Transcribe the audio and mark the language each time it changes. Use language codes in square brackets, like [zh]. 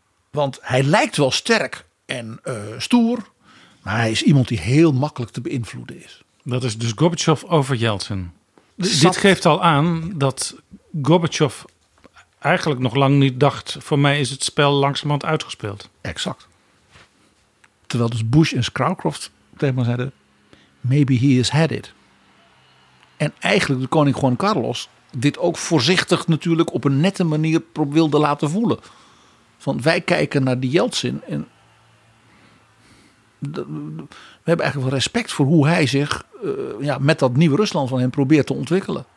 [nl] Want hij lijkt wel sterk en stoer, maar hij is iemand die heel makkelijk te beïnvloeden is. Dat is dus Gorbachev over Yeltsin. Dit geeft al aan dat Gorbachev eigenlijk nog lang niet dacht, voor mij is het spel langzamerhand uitgespeeld. Exact. Terwijl dus Bush en Scowcroft tegen me zeiden, [en] maybe he has had it. [nl] En eigenlijk de koning Juan Carlos dit ook voorzichtig natuurlijk op een nette manier wilde laten voelen. Van, wij kijken naar die Yeltsin en we hebben eigenlijk wel respect voor hoe hij zich met dat nieuwe Rusland van hem probeert te ontwikkelen.